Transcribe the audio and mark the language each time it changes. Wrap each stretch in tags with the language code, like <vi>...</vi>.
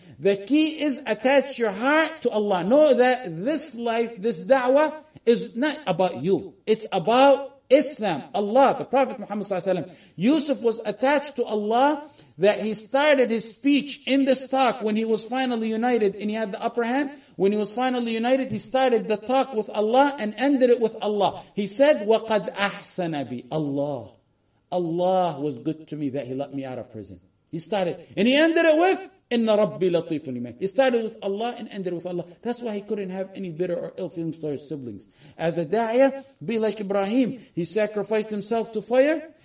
<en>The key is attach your heart to Allah. Know that this life, this da'wah is not about you. It's about Islam, Allah, the Prophet Muhammad Sallallahu Alaihi Wasallam. Yusuf was attached to Allah that he started his speech in this talk when he was finally united and he had the upper hand. When he was finally united, he started the talk with Allah and ended it with Allah. He said,</en> <ar>وَقَدْ أَحْسَنَ بِي.</ar> <en>Allah. Allah was good to me that He let me out of prison. He started, and he ended it with,</en> <ar>إِنَّ رَبِّي لَطِيفٌ لِمَنْ.</ar> <en>He started with Allah and ended with Allah. That's why he couldn't have any bitter or ill feelings to his siblings. As a da'ya, be like Ibrahim. He sacrificed himself to fire.</en>